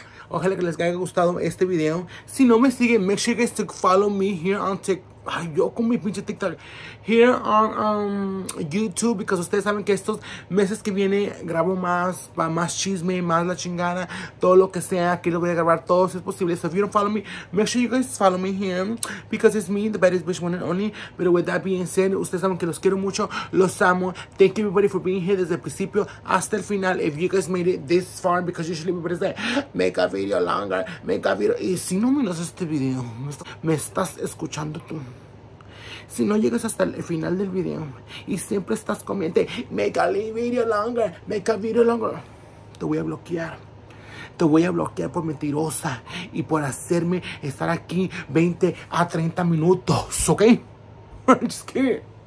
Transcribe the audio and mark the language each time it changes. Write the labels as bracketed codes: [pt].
[es] Ojalá que les haya gustado este video. Si no me siguen, [en] make sure you guys to follow me here on TikTok. [es] Ay, yo con mi pinche TikTok. [en] Here on YouTube, [es] because ustedes saben que estos meses que viene grabo más, para más chisme, más la chingada, todo lo que sea. Aquí lo voy a grabar todo si es posible. [en] So if you don't follow me, make sure you guys follow me here, because it's me, the baddest bitch, one and only. But with that being said, [es] ustedes saben que los quiero mucho, los amo. [en] Thank you everybody for being here [es] desde el principio hasta el final. [en] If you guys made it this far, because usually people say, make a video longer, make a video. [es] Y si no miras este video, me estás escuchando tú. Si no llegas hasta el final del video y siempre estás comiendo, [en] make a video longer, [es] te voy a bloquear. Te voy a bloquear por mentirosa y por hacerme estar aquí 20 a 30 minutos, ¿ok? [en] Just kidding.